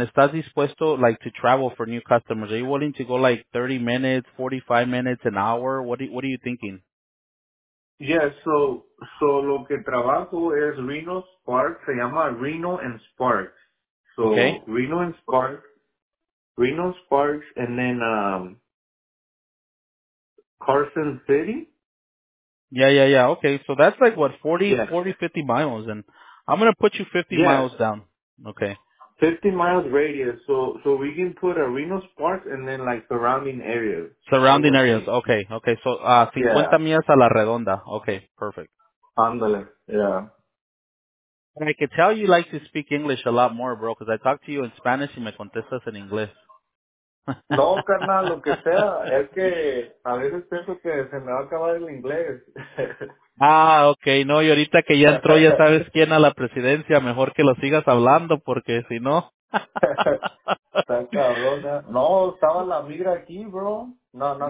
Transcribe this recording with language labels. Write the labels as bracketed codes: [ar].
[es] ¿Estás dispuesto, [en] like, to travel for new customers? Are you willing to go, like, 30 minutes, 45 minutes, an hour? What are you thinking? [es] So lo que trabajo es Reno Sparks, se llama Reno and Sparks. [en] Okay. So Reno and Sparks. Reno Sparks and then Carson City. Yeah. Okay. So that's like what, 40, 50 miles. And I'm going to put you 50 miles down. Okay. 50 miles radius. So we can put a Reno Sparks and then like surrounding areas, I Surrounding would areas. think. [es] Okay. So 50 millas a la redonda. Okay. Perfect. Ándale, [en] And I could tell you like to speak English a lot more, bro, because I talk to you in Spanish [es] y me contestas en inglés. No, carnal, lo que sea, es que a veces pienso que se me va a acabar el inglés. Ah, okay, no, y ahorita que ya entró, ya sabes quién a la presidencia, mejor que lo sigas hablando, porque si no. Está cabrona. No, estaba la migra aquí, bro. No, no